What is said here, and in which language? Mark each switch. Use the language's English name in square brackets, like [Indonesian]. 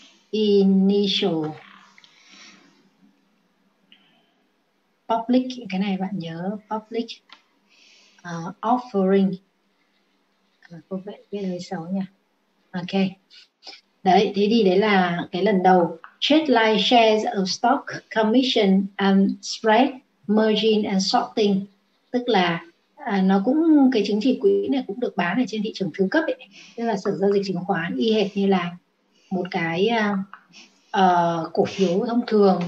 [Vietnamese] Initial public, cái này bạn nhớ public offering. Có vẻ biết lấy xấu nha. Ok. Đấy, thế thì đấy là cái lần đầu. [English] Trade like shares of stock, commission and spread, margin and sorting. [Vietnamese] Tức là nó cũng, cái chứng chỉ quỹ này cũng được bán ở trên thị trường thứ cấp ấy, tức là sở giao dịch chứng khoán, y hệt như là một cái cổ phiếu thông thường.